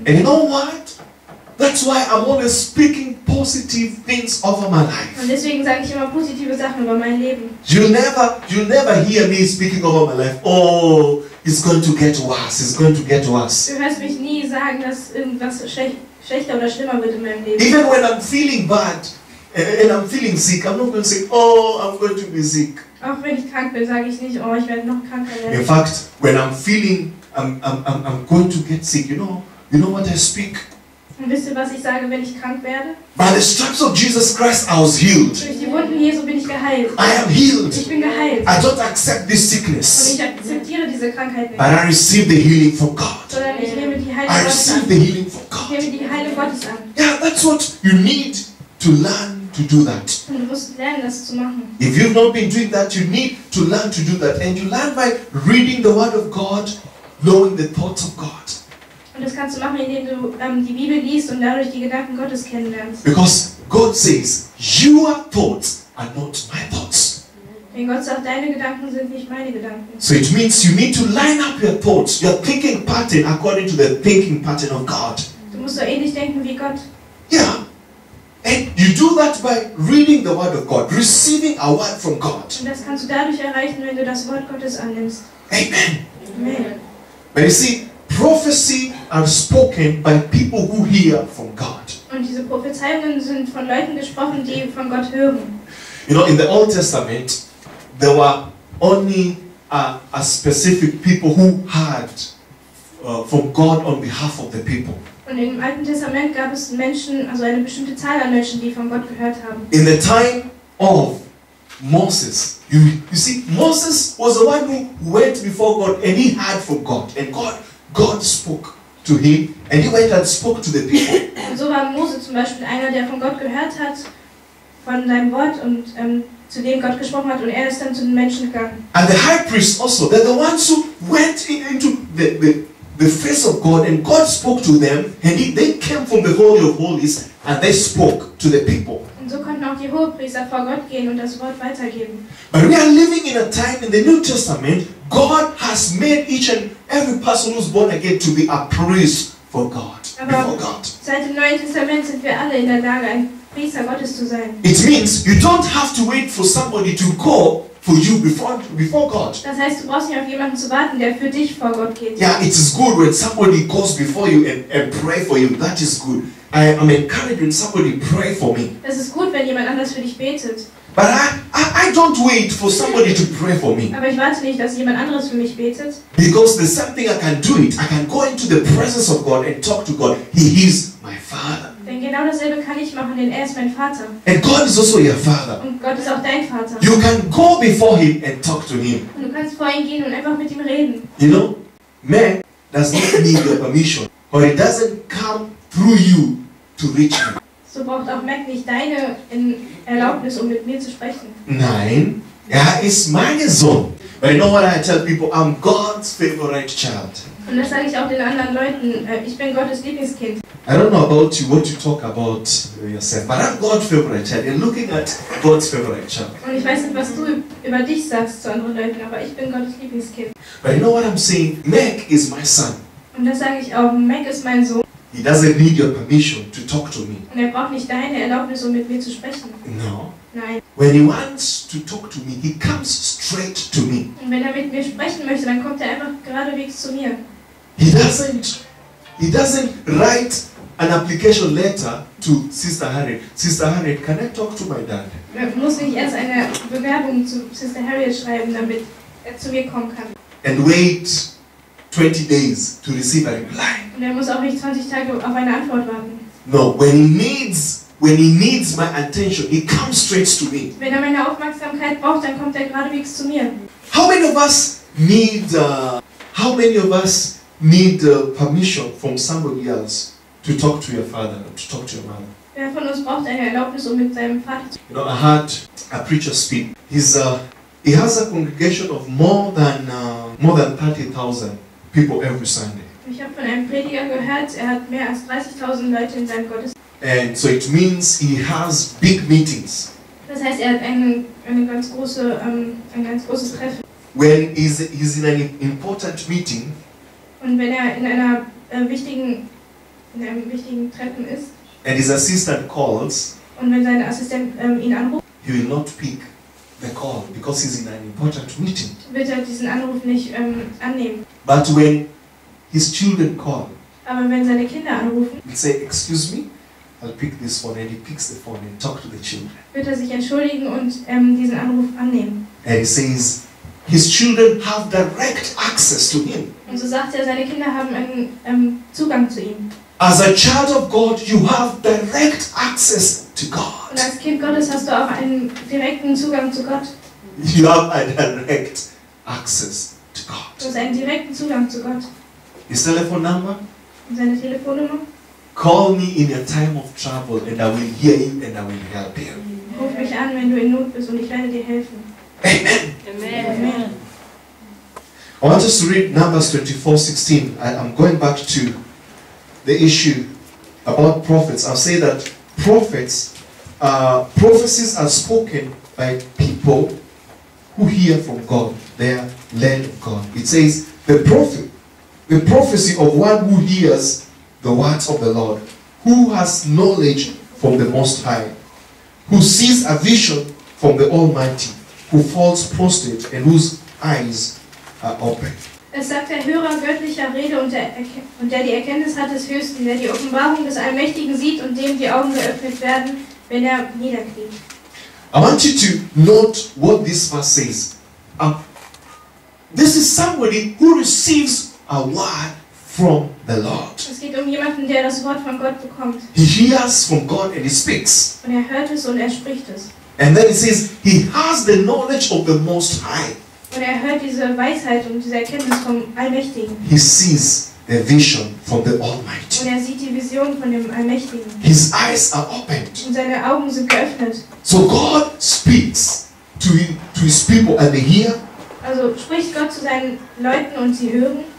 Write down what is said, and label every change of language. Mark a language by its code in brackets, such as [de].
[en] And you know what? That's why I'm always speaking positive things over my life. [de] Und deswegen sage ich immer positive Sachen über mein Leben. [en] You never hear me speaking over my life. Oh, it's going to get worse. It's going to get worse. [de] Du hörst mich nie sagen, dass irgendwas schlechter oder schlimmer wird in meinem Leben. [en] Even when I'm feeling bad and I'm feeling sick, I'm not going to say, oh, I'm going to be sick. [de] Auch wenn ich krank bin, sage ich nicht, oh, ich werde noch kranker werden. [en] In fact, when I'm feeling I'm going to get sick, you know what I speak? [de] Und wisst ihr, was ich sage, wenn ich krank werde? [en] By the stripes of Jesus Christ, I was healed. [de] Durch die Wunden Jesu bin ich geheilt. [en] I am healed. [de] Ich bin geheilt. [en] I don't accept this sickness. [de] Und ich akzeptiere diese Krankheit nicht. [en] But I receive the healing from God. [de] Sondern ich nehme die Heilung Gottes an. [en] I receive the healing from God. [de] Ich nehme die Heilung Gottes an. [en] Yeah, that's what you need to learn to do that. [de] Und du musst lernen, das zu machen. [en] If you've not been doing that, you need to learn to do that. And you learn by reading the word of God, knowing the thoughts of God. [de] Und das kannst du machen, indem du die Bibel liest und dadurch die Gedanken Gottes kennenlernst. [en] Because God says, your thoughts are not my thoughts. [de] Denn Gott sagt, deine Gedanken sind nicht meine Gedanken. [en] So it means you need to line up your thoughts, your thinking pattern according to the thinking pattern of God. [de] Du musst so ähnlich denken wie Gott. [en] Yeah. And you do that by reading the word of God, receiving a word from God. [de] Und das kannst du dadurch erreichen, wenn du das Wort Gottes annimmst. [en] Amen. [de] Amen. [en] But you see, prophecy are spoken by people who hear from God. [de] Und diese Prophezeiungen sind von Leuten gesprochen, die von Gott hören. [en] You know, in the Old Testament, there were only a specific people who heard from God on behalf of the people. [de] Und im Alten Testament gab es Menschen, also eine bestimmte Zahl an Menschen, die von Gott gehört haben. [en] In the time of Moses. You see, Moses was the one who went before God and he heard from God. And God spoke to him, and he went and spoke to the people. [de] Und so war Mose zum Beispiel einer, der von Gott gehört hat, von seinem Wort und zu dem Gott gesprochen hat, und er ist dann zu den Menschen gegangen. [en] And the high priest also, they're the ones who went into the face of God, and God spoke to them, and they came from the Holy of Holies, and they spoke to the people. [de] Und so konnten auch die Hohepriester vor Gott gehen und das Wort weitergeben. [en] But we are living in a time in the New Testament. God has made each and every person who's born again to be a priest for God. before God. [de] Seit dem Neuen Testament sind wir alle in der Lage, ein Priester Gottes zu sein. [en] It means you don't have to wait for somebody to call for you before God. [de] Das heißt, du brauchst nicht auf jemanden zu warten, der für dich vor Gott geht. [en] Yeah, it is good when somebody calls before you and pray for you. That is good. I'm encouraged when somebody pray for me. [de] Das ist gut, wenn jemand anders für dich betet. [en] But I don't wait for somebody to pray for me. [de] Aber ich warte nicht, dass jemand anderes für mich betet. [en] Because there's something I can do it. I can go into the presence of God and talk to God. He is my Father. [de] Denn genau dasselbe kann ich machen, denn er ist mein Vater. [en] And God is also your Father. [de] Und Gott ist auch dein Vater. [en] You can go before him and talk to him. [de] Und du kannst vor ihn gehen und einfach mit ihm reden. [en] You know, man does not need your permission, or it doesn't come through you to reach him. [de] So braucht auch Mac nicht deine Erlaubnis, um mit mir zu sprechen. Nein, er ist mein Sohn. [en] But you know what I tell people? I'm God's favorite child. [de] Und das sage ich auch den anderen Leuten. Ich bin Gottes Lieblingskind. [en] I don't know about you, what you talk about yourself, but I'm God's favorite child. You're looking at God's favorite child. [de] Und ich weiß nicht, was du über dich sagst zu anderen Leuten, aber ich bin Gottes Lieblingskind. [en] But you know what I'm saying? Mac is my son. [de] Und das sage ich auch. Mac ist mein Sohn. [en] He doesn't need your permission to talk to me. [de] Und er braucht nicht deine Erlaubnis, um mit mir zu sprechen. [en] No. [de] Nein. [en] When he wants to talk to me, he comes straight to me. [de] Und wenn er mit mir sprechen möchte, dann kommt er einfach geradewegs zu mir. [en] He doesn't write an application letter to Sister Harriet. Sister Harriet, can I talk to my dad? [de] Er muss nicht erst eine Bewerbung zu Sister Harriet schreiben, damit er zu mir kommen kann. [en] And wait 20 days to receive a reply. [de] Und er muss auch nicht 20 Tage auf eine Antwort warten. [en] No, when he needs my attention, he comes straight to me. [de] Wenn er meine Aufmerksamkeit braucht, dann kommt er geradewegs zu mir. [en] How many of us need permission from somebody else to talk to your father or to talk to your mother? [de] Wer von uns braucht eine Erlaubnis, um mit seinem Vater zu sprechen? [en] You know, I heard a preacher speak. He has a congregation of more than 30,000 people every Sunday. [de] Ich habe von einem Prediger gehört, er hat mehr als 30.000 Leute in seinem Gottesdienst. [en] And so it means he has big meetings. [de] Das heißt, er hat ein ganz großes Treffen. [en] When he's in an important meeting. [de] Und wenn er in einem wichtigen Treffen ist. [en] And his assistant calls. [de] Und wenn sein Assistent ihn anruft. [en] He will not pick the call because he's in an important meeting. [de] Wird er diesen Anruf nicht annehmen? [en] But when his children call. [de] Aber wenn seine Kinder anrufen. [en] He'll say, excuse me, I'll pick this phone, and he picks the phone and talk to the children. [de] Wird er sich entschuldigen und diesen Anruf annehmen? [en] And he says, his children have direct access to him. [de] Und so sagt er, seine Kinder haben einen Zugang zu ihm. [en] As a child of God, you have direct access to God. [de] Und als Kind Gottes hast du auch einen direkten Zugang zu Gott. [en] You have a direct access to God. [de] Du hast einen direkten Zugang zu Gott. [en] His telephone number? [de] Seine Telefonnummer? [en] Call me in your time of trouble and I will hear him and I will help him. [de] Ruf mich an, wenn du in Not bist und ich werde dir helfen. [en] Amen. [de] Amen. [en] I want us to read Numbers 24:16. I'm going back to the issue about prophets. I'll say that prophecies are spoken by people who hear from God. They are led of God. It says the prophecy of one who hears the words of the Lord, who has knowledge from the Most High, who sees a vision from the Almighty, who falls prostrate and whose eyes are open. [de] Es sagt der Hörer göttlicher Rede und der die Erkenntnis hat des Höchsten, der die Offenbarung des Allmächtigen sieht und dem die Augen geöffnet werden, wenn er niederkriegt. [en] I want you to note what this verse says. This is somebody who receives a word from the Lord. [de] Es geht um jemanden, der das Wort von Gott bekommt. [en] He hears from God and he speaks. [de] Und er hört es und er spricht es. [en] And then it says, he has the knowledge of the Most High. [de] Und er hört diese Weisheit und diese Erkenntnis vom Allmächtigen. [en] He sees the vision from the Almighty. [de] Und er sieht die Vision von dem Allmächtigen. [en] His eyes are opened. [de] Und seine Augen sind geöffnet. [en] So God speaks to him, to his people, and they hear. [de] Also spricht Gott zu seinen Leuten und sie hören.